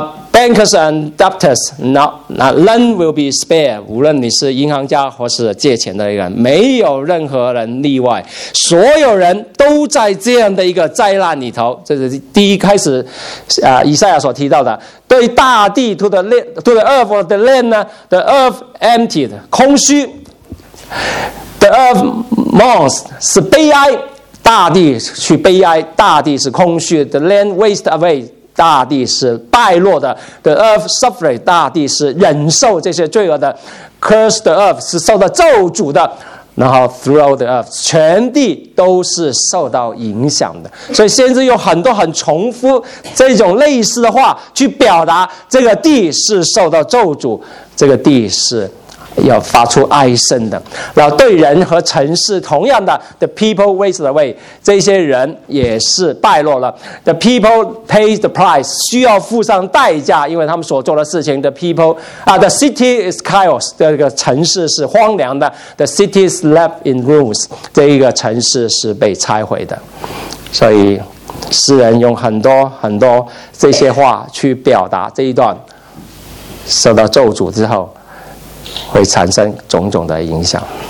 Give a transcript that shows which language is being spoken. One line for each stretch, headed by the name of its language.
English: Bankers and debtors, none will be spared.
Chinese: 无论你是银行家或是借钱的一个人，没有任何人例外。所有人都在这样的一个灾难里头。这是第一开始，以赛亚所提到的，对大地 to the earth or the land 呢 ， the earth emptied 空虚 ， the earth mourns 是悲哀，大地去悲哀，大地是空虚 ， the land waste away。大地是败落的 ， the earth suffering，大地是忍受这些罪恶的 ， curse the earth 是受到咒诅的，然后 throughout the earth 全地都是受到影响的。所以先知有很多很重复这种类似的话，去表达这个地是受到咒诅，这个地是要发出哀声的。然后对人和城市同样的 the people waste the way，这些人也是败落了。 the people pay the price，需要付上代价，因为他们所做的事情。 the people the city is chaos，这个城市是荒凉的。 the city is left in ruins，这个城市是被拆毁的。所以诗人用很多很多这些话去表达这一段受到咒诅之后会产生种种的影响。